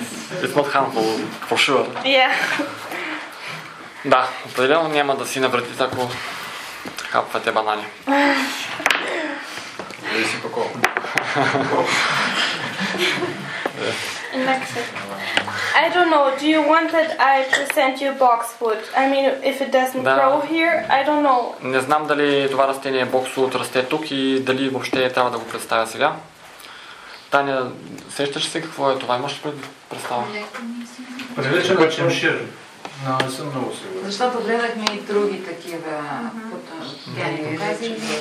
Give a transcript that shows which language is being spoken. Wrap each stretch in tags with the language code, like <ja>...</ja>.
<en>It's not harmful, for sure. Yeah.</en> <bg>Да, определено няма да си навреди, ако хапвате банани. Дали си пако.</bg> <en>I don't know, do you want that I present you boxwood? I mean, if it doesn't grow here, I don't know.</en> <bg>Не знам дали това растение боксвуд расте тук и дали въобще трябва да го представя сега. Таня, сещаш се какво е това? Имаш ли представа? Прилича на чемшир. Но не съм много сигурен. Защото гледахме и други такива потенциали.</bg>